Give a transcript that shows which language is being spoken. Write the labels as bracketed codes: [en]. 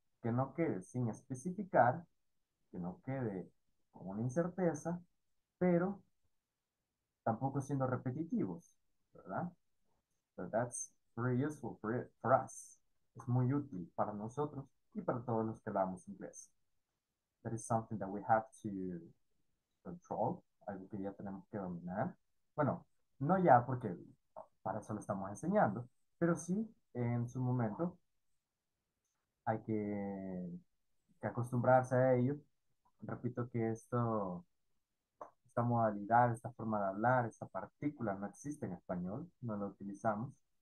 [es] Que no quede sin especificar, que no quede con una incerteza, pero tampoco siendo repetitivos, ¿verdad? [en] So that's very useful for us. [es] Es muy útil para nosotros y para todos los que hablamos inglés. [en] That is something that we have to control. [es] Algo que ya tenemos que dominar. Bueno, no ya porque para eso lo estamos enseñando, pero sí en su momento hay que acostumbrarse a ello. Repito que esta modalidad, esta forma de hablar, esta partícula no existe en español, no la utilizamos.